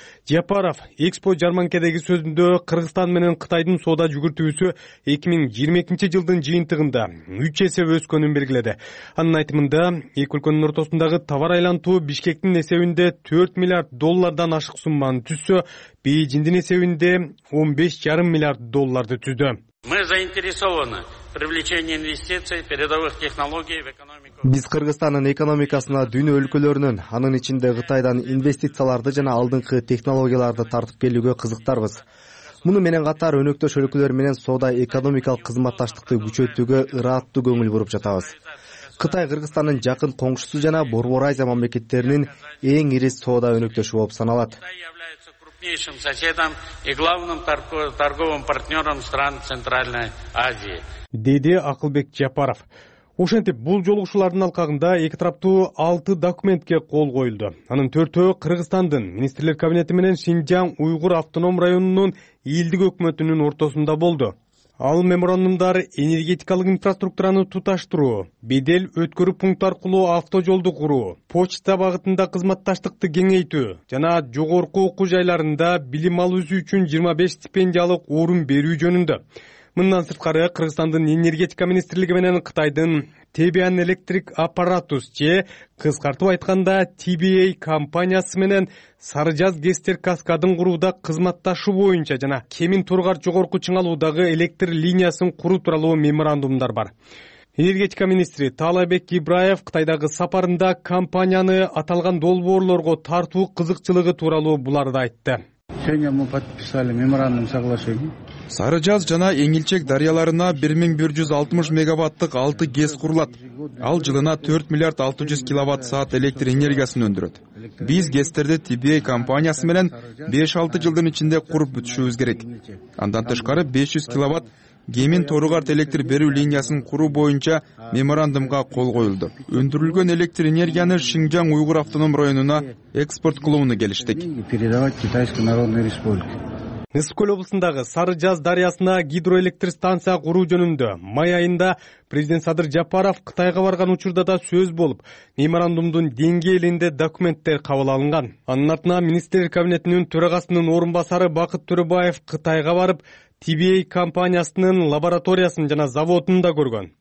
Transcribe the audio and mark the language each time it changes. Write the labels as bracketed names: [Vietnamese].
[Kyrgyz] Жапаров экспо жарманкедеги сөзүндө Кыргызстан менен Кытайдын соода жүгүртүүсү 2022 жылдын жыйынтыгында 3 эсе өскөнүн белгиледи. Анын айтымында эки өлкөнүн ортосундагы товар айлантуу Бишкектин эсебинде 4 миллиард доллардан ашык сумманы түзсө, Бээжиндин эсебинде 15.5 миллиард долларды түздү. [Russian] Мы заинтересованы привлечение инвестиций, передовых технологий в экономику. [Kyrgyz] Биз Кыргызстандын экономикасына дүйнө өлкөлөрүнүн, анын ичинде Кытайдан инвестицияларды жана алдыңкы технологияларды тартып келүүгө кызыктарбыз. Муну менен катар өнөктөш өлкөлөр менен соода экономикалык кызматташтыкты күчөтүүгө ыраттуу көңүл буруп жатабыз. Кытай Кыргызстандын жакын коңшусу жана Борбор Азия мамлекеттеринин эң ири соода өнөктөшү болуп саналат. [Russian] Крупнейшим соседом и главным торговым партнером стран Центральной Азии. [Kyrgyz] Деди Акылбек Жапаров. Ошентип бул жолугушуулардын алкагында эки тараптуу 6 документке кол коюлду. Анын төртөө Кыргызстандын министрлер кабинети менен Шинжаң Уйгур автоном районунун элдик өкмөтүнүн ортосунда болду. Ал меморандумдар энергетикалык инфраструктураны туташтыруу, бедел өткөрүү пункт аркылуу авто жолду куруу, почта багытында кызматташтыкты кеңейтүү жана жогорку окуу жайларында билим алуусу үчүн 25 стипендиялык орун берүү жөнүндө. Мындан сырткары Кыргызстандын энергетика министрлиги менен Кытайдын TBN Electric Apparatus же кыскартып айтканда TBA компаниясы менен Сары Жаз гестер каскадын курууда кызматташуу боюнча жана Кемин Тургар жогорку чыңалуудагы электр линиясын куруу тууралуу меморандумдар бар. Энергетика министри Таалайбек Ибраев Кытайдагы сапарында компанияны аталган долбоорлорго тартуу кызыкчылыгы тууралуу буларды айтты. [Russian] Сегодня мы подписали меморандум соглашения. [Kyrgyz] Сары жаз жана эңилчек дарыяларына 1160 мегаваттык 6 ГЭС курулат. Ал жылына 4 миллиард 600 киловатт саат электр энергиясын өндүрөт. Биз ГЭС-терди TBA компаниясы менен 5-6 жылдын ичинде куруп бүтүшүбүз керек. Андан тышкары 500 киловатт Кемин Торугарт электр берүү линиясын куруу боюнча меморандумга кол коюлду. Өндүрүлгөн электр энергияны Шинжаң Уйгур автоном районуна экспорт кылууну келиштик. [Russian] Передавать Китайской Народной Республике. [Kyrgyz] Ысык-Көл облусундагы Сары Жаз дарыясына гидроэлектр станция куруу жөнүндө май айында президент Садыр Жапаров Кытайга барган учурда да сөз болуп, меморандумдун деңгээлинде документтер кабыл алынган. Анын артынан министрлер кабинетинин төрагасынын орун басары Бакыт Төрөбаев Кытайга барып, TBA компаниясынын лабораториясын жана заводун да көргөн.